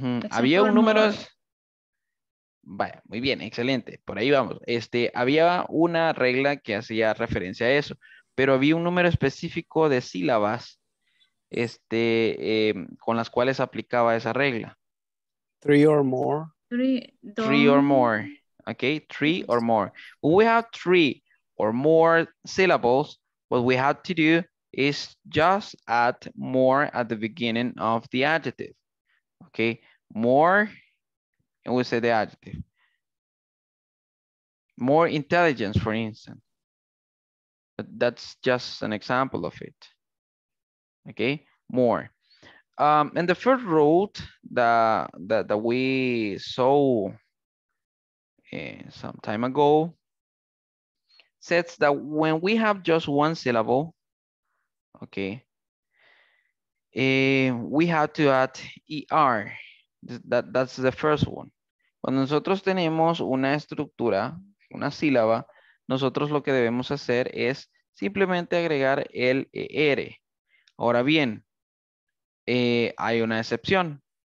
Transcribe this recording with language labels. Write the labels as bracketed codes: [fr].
[es] Había un número. Vaya, muy bien, excelente. Por ahí vamos. Este, había una regla que hacía referencia a eso, pero había un número específico de sílabas este, con las cuales aplicaba esa regla. [en] Three or more. Three or more. Okay, three or more. When we have three or more syllables, what we have to do is just add more at the beginning of the adjective. Okay, more, and we say the adjective. More intelligence, for instance. But that's just an example of it. Okay, more. And the first rule that we saw some time ago says that when we have just one syllable, okay, we have to add ER. That's the first one. [es] Cuando nosotros tenemos una estructura, una sílaba, nosotros lo que debemos hacer es simplemente agregar el ER. Ahora bien, hay una excepción.